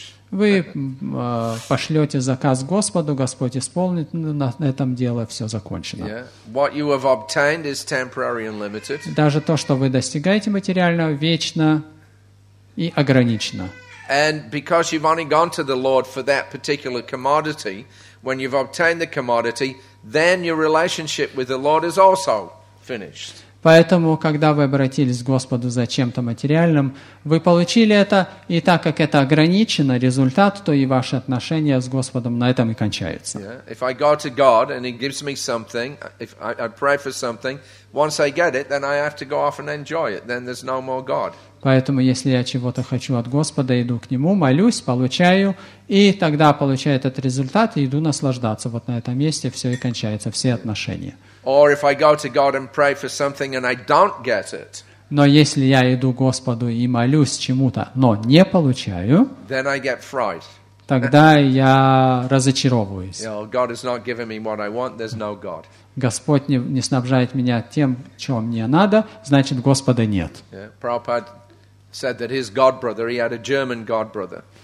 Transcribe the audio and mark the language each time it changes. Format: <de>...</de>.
<ru>Вы пошлете заказ Господу, Господь исполнит, на этом дело все закончено.</ru> <en>Yeah. What you have obtained is temporary and limited.</en> <ru>Даже то, что вы достигаете материально, вечно и ограничено.</ru> <en>And because you've only gone to the Lord for that particular commodity, when you've obtained the commodity, then your relationship with the Lord is also finished.</en> <ru>Поэтому, когда вы обратились к Господу за чем-то материальным, вы получили это, и так как это ограничено результат, то и ваши отношения с Господом на этом и кончаются.</ru> <en>If I go to God and He gives me something, if I pray for something, once I get it, then I have to go off and enjoy it. Then there's no more God.</en> <ru>Поэтому, если я чего-то хочу от Господа, иду к Нему, молюсь, получаю, и тогда получаю этот результат и иду наслаждаться. Вот на этом месте все и кончается, все отношения.</ru> <en>Or if I go to God and pray for something and I don't get it.</en> <ru>Но если я иду к Господу и молюсь чему-то, но не получаю,</ru> <en>then I get fried.</en> <ru>Тогда я разочаровываюсь.</ru> <en>You know, God is not giving me what I want, there's no God.</en> <ru>Господь не снабжает меня тем, чего мне надо, значит, Господа нет.</ru> <en>Yeah. Prabhupada said that his god brother, he had a German god brother.</en>